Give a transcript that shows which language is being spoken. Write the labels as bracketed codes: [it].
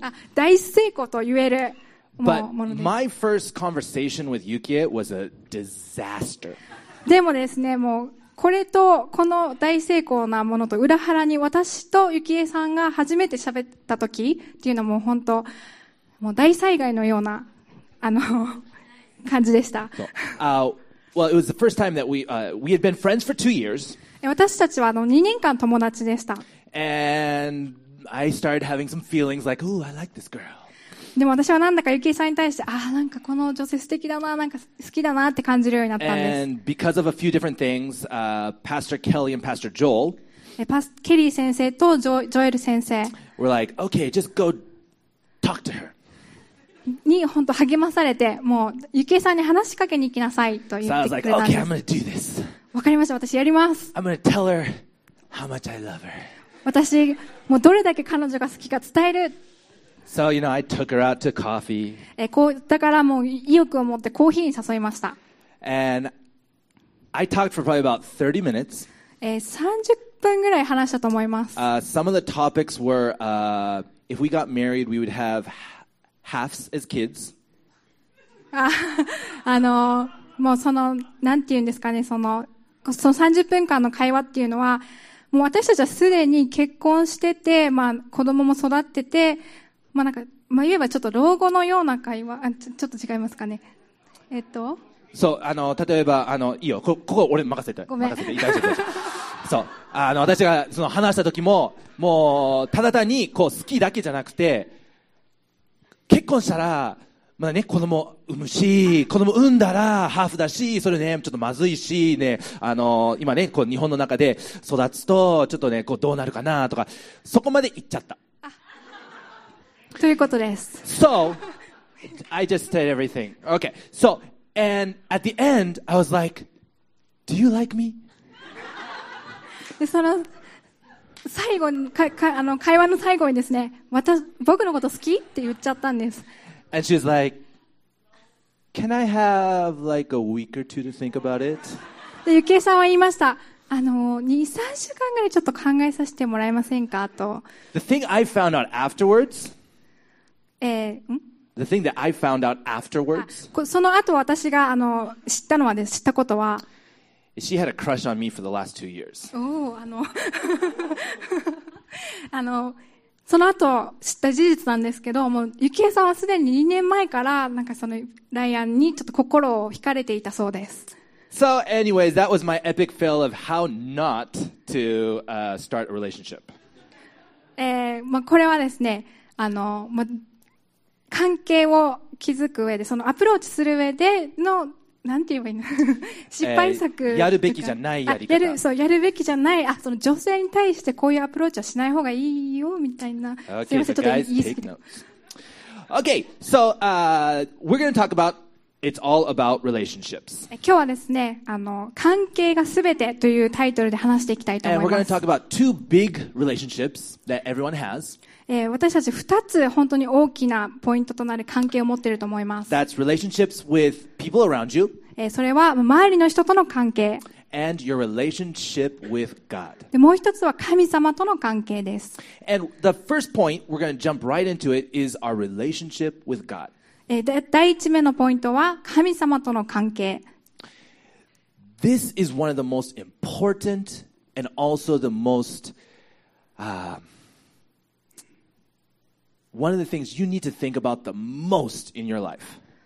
[ja] あ、大成功と言えるものです。 [en] But my first conversation with Yukie was a disaster. [ja] でもですね、もうこれとこの大成功なものと裏腹に私と Yukie さんが初めて喋った時っていうのも本当もう大災害のようなあの感じでした。そう。 [en] Well, it was the first time that we had been friends for 2 years. [ja] 私たちはあの2年間友達でした。 [en] And I started having some feelings like, "Ooh, I like this girl." [ja] でも私はなんだかユキさんに対して、ああ、なんかこの女性素敵だな、なんか好きだなって感じるようになったんです。 [en] And because of a few different things, Pastor Kelly and Pastor Joel, [ja] ケリー先生とジョエル先生 [en] were like, "Okay, just go talk to her." [ja] に本当励まされて、もうユキエさんに話しかけに行きなさいと言ってくれたんです。 [en] So I was like, okay, I'm gonna do this. [ja] わかりました。私やります。 [en] I'm gonna tell her how much I love her. [ja] 私もうどれだけ彼女が好きか伝える。 [en] So you know, I took her out to coffee. [ja] こうだからもう意欲を持ってコーヒーに誘いました。 [en] And I talked for probably about 30 minutes. [ja] 30分ぐらい話したと思います。 [en] Some of the topics were if we got married, we would haveHalves as kids. [ja] もうその、なんて言うんですかね、その30分間の会話っていうのは、もう私たちはすでに結婚してて、まあ子供も育ってて、まあなんか、まあ言えばちょっと老後のような会話、あ、ちょっと違いますかね。そう、あの例えばあのいいよ、ここ俺任せて、ごめん、任せて、大丈夫大丈夫。そう、あの私がその話した時も、もうただ単にこう好きだけじゃなくて、結婚したらまだね子供産むし、子供産んだらハーフだし、それねちょっとまずいしね、あの今ねこう日本の中で育つとちょっとねこうどうなるかなとか、そこまで言っちゃった。あ、ということです。 [en] So I just said everything. Okay. So and at the end I was like, Do you like me? [ja] でその最後にかあの会話の最後にですね、僕のこと好きって言っちゃったんです。 [en] And she's like, Can I have like a week or two to think about it? [ja] でゆきえさんは言いました。あの2、3週間ぐらいちょっと考えさせてもらえませんかと。 [en] The thing I found out afterwards. ん？ The thing that I found out afterwards. [ja] その後私があの知ったのはです、知ったことは。 [en] She had a crush on me for the last two years. [ja] あの、あの、その後知った事実なんですけど、もうゆきえさんはすでに2年前からなんかそのライアンにちょっと心を惹かれていたそうです。 [en] So anyways, that was my epic fail of how not to, start a relationship. [ja] まあ、これはですね、あの、まあ、関係を築く上で、そのアプローチする上での。なんて言えばいいの失敗作、やるべきじゃないやり方、そうやるべきじゃない、あその女性に対してこういうアプローチはしない方がいいよみたいな、 [en] okay, [ja] すいません、 [en] so、 [ja] ちょっと言い過ぎ [en] て、 OK so、we're going to talk about It's all about relationships. [ja] 今日はですね、あの関係がすべてというタイトルで話していきたいと思います。 [en] And we're going to talk about two big relationships that everyone has. [ja] 私たち2つ本当に大きなポイントとなる関係を持っていると思います。 [en] That's relationships with people around you. [ja] それは周りの人との関係。 [en] And your relationship with God. [ja] でもう一つは神様との関係です。 [en] And the first point we're going to jump right into it is our relationship with God. [ja] 第一目のポイントは神様との関係。 [en] This is one of the most important and also the most, one of the things you need to think about the most in your life.